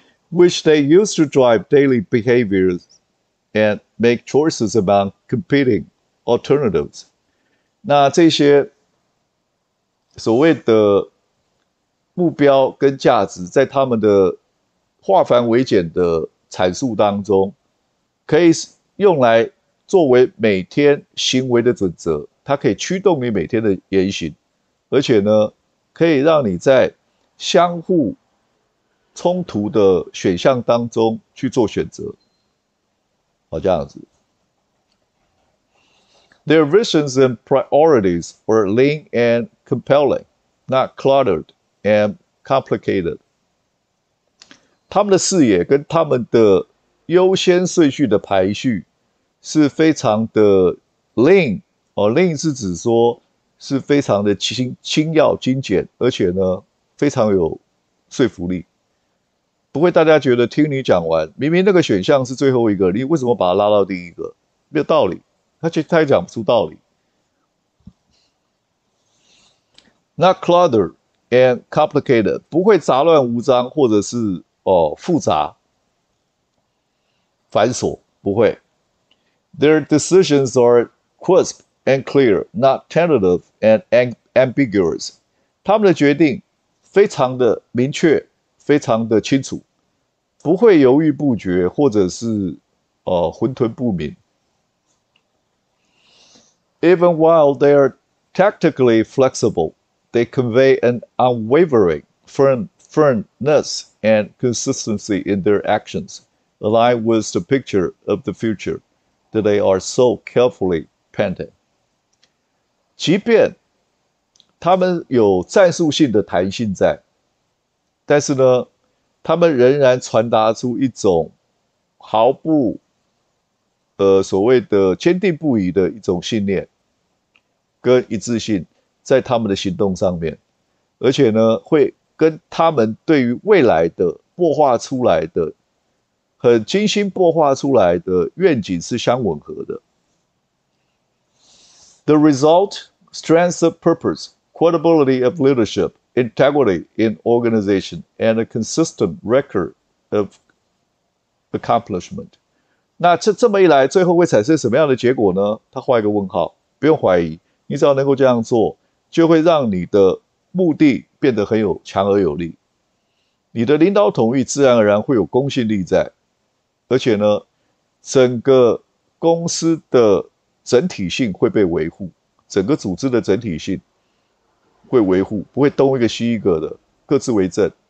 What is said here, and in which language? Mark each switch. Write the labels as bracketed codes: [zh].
[en] Which they used to drive daily behaviors and make choices about competing alternatives。 [zh] 那这些所谓的目标跟价值，在他们的化繁为简的阐述当中，可以用来作为每天行为的准则，它可以驱动你每天的言行，而且呢，可以让你在相互冲突的选项当中去做选择。好，这样子。 [en] Their visions and priorities were lean and compelling, not cluttered and complicated。 [zh] 他们的视野跟他们的优先顺序的排序是非常的 lean 哦，lean 是指说是非常的轻要精简，而且呢非常有说服力。不会，大家觉得听你讲完，明明那个选项是最后一个，你为什么把它拉到第一个？没有道理，他也讲不出道理。 [en] Not cluttered and complicated， [zh] 不会杂乱无章，或者是哦复杂繁琐，不会。 [en] Their decisions are crisp and clear, not tentative and ambiguous。 [zh] 他们的决定非常的明确，非常的清楚。不会犹豫不决，或者是混沌不明。 [en] Even while they are tactically flexible, they convey an unwavering firmness and consistency in their actions, aligned with the picture of the future that they are so carefully painting。 [zh] 即便他们有战术性的弹性在，但是呢？他们仍然传达出一种毫不，所谓的坚定不移的一种信念跟一致性，在他们的行动上面，而且呢，会跟他们对于未来的擘画出来的很精心擘画出来的愿景是相吻合的。 [en] The result: strength of purpose, credibility of leadership, integrity in organization and a consistent record of accomplishment。 [zh] 那这么一来，最后会产生什么样的结果呢？他画一个问号，不用怀疑，你只要能够这样做，就会让你的目的变得很有强而有力，你的领导统御自然而然会有公信力在，而且呢，整个公司的整体性会被维护，整个组织的整体性会维护，不会东一个西一个的，各自为政。